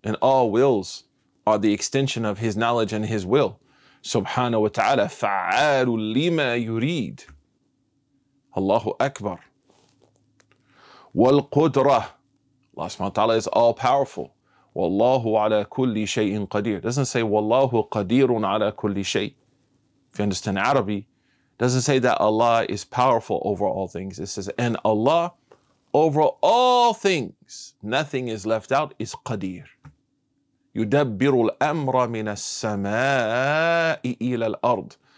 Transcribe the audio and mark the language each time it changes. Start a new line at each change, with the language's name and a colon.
English: And all wills are the extension of His knowledge and His will.
Arabic: سُبْحَانَهُ وَتَعَالَى فَعَالُ لِمَا يُرِيدُ. Allahu Akbar. وَالْقُدْرَ.
English: Allah subhanahu wa ta'ala is all-powerful.
Arabic: وَاللَّهُ عَلَى كُلِّ شَيْءٍ قَدِيرٌ.
English: It doesn't say
Arabic: وَاللَّهُ قَدِيرٌ عَلَى كُلِّ شَيْءٍ.
English: If you understand Arabic, doesn't say that Allah is powerful over all things. It says, and Allah over all things, nothing is left out, is Qadir.
Arabic: يُدَبِّرُ الْأَمْرَ مِنَ السَّمَاءِ إِلَى الْأَرْضِ.